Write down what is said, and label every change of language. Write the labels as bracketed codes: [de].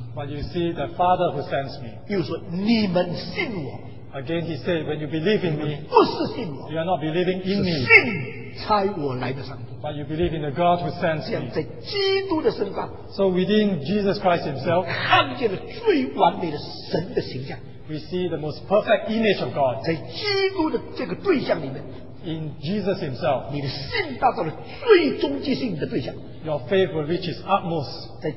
[en] but you see the Father who sends me. [zh] 又说, 你们信我, [en] again he said, when you believe in me, [zh] 不是信我, [en] you are not believing in me, [zh] 是信差我来的上, [en] but you believe in the God who sends me. [zh] 在基督的身上, [en] so within Jesus Christ himself, [zh] 看见了最完美的神的形象, [en] we see the most perfect image of God. [zh] 在基督的这个对象里面, [en] in Jesus himself, your faith will reach its utmost.